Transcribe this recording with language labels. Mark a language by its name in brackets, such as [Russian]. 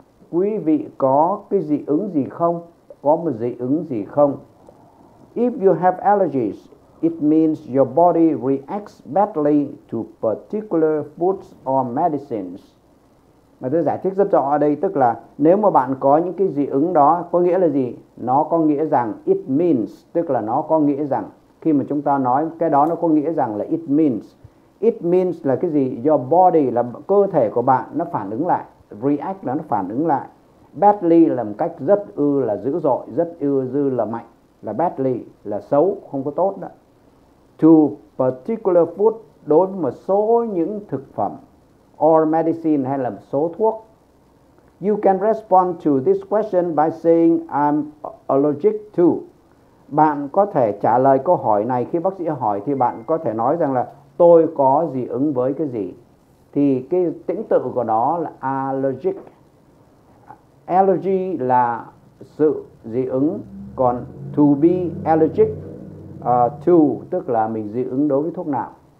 [Vietnamese] Quý vị có cái dị ứng gì không? Có một dị ứng gì không? [English] If you have allergies, it means your body reacts badly to particular foods or medicines. [Vietnamese] Mà tôi giải thích rất rõ ở đây, tức là nếu mà bạn có những cái dị ứng đó, có nghĩa là gì? Nó có nghĩa rằng [English] it means, [Vietnamese] tức là nó có nghĩa rằng, khi mà chúng ta nói cái đó nó có nghĩa rằng là it means. [English] It means [Vietnamese] là cái gì? [English] Your body, [Vietnamese] là cơ thể của bạn nó phản ứng lại, react là nó phản ứng lại. Badly là một cách rất ư là dữ dội, rất ư dư là mạnh, là badly, là xấu, không có tốt đó. [English] To particular food, [Vietnamese] đối với một số những thực phẩm, [English] or medicine, [Vietnamese] hay là một số thuốc. [English] You can respond to this question by saying I'm allergic to. [Vietnamese] Bạn có thể trả lời câu hỏi này, khi bác sĩ hỏi thì bạn có thể nói rằng là tôi có dị ứng với cái gì. Thì cái tính tự của nó là allergic. Allergy là sự dị ứng. Còn [English] to be allergic to, [Vietnamese] tức là mình dị ứng đối với thuốc nào.